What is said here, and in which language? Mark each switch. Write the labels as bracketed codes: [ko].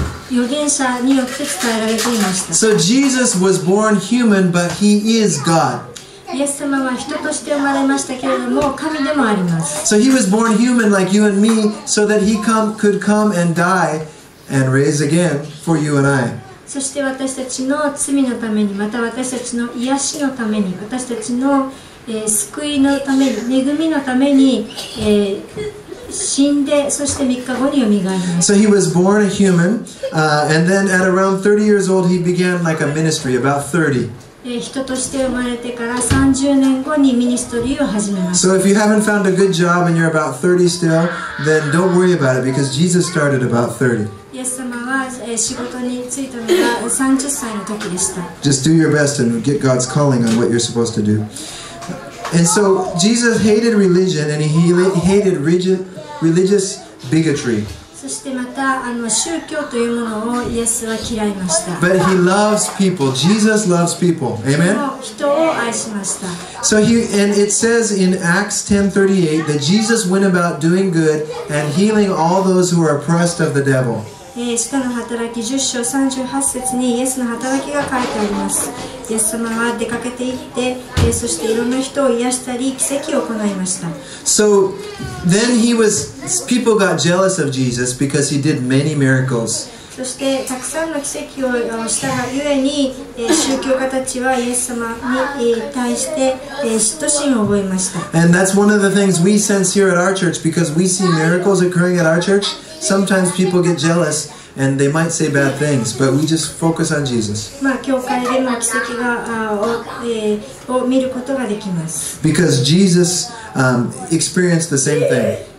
[en] So Jesus was born human, but he is God. So he was born human like you and me, so that he could come and die and raise again for you and I. [ja] そして私たちの罪のためにまた私たちの癒しのために私たちの、救いのために恵みのために、死んでそして3日後によみがえります。 [en] So he was born a human, and then at around 30 years old he began like a ministry, about 30. [ja] 人として生まれてから30年後にミニストリーを始めます。 [en] So if you haven't found a good job and you're about 30 still, then don't worry about it because Jesus started about 30. [ja] イエス様は仕事に就いたのが30歳の時でした。 [en] Just do your best and get God's calling on what you're supposed to do. And so Jesus hated religion and he hated religious bigotry. [ja] そしてまた宗教というものをイエスは嫌いました。 [en] But he loves people. Jesus loves people. Amen. [ja] 人を愛しました。 [en] So he and it says in Acts 10:38 that Jesus went about doing good and healing all those who are oppressed of the devil. [ja] 使徒の働き10章38節にイエスの働きが書いてあります。イエス様は出かけて行って、そしていろんな人を癒したり奇跡を行いました。 [en] So then he was people got jealous of Jesus because he did many miracles. [ja] そしてたくさんの奇跡をしたがゆえに宗教家たちはイエス様に対して嫉妬心を覚えました。 [en] And that's one of the things we sense here at our church because we see miracles occurring at our church. Sometimes people get jealous. And they might say bad things, but we just focus on Jesus. Because Jesus experienced the same thing.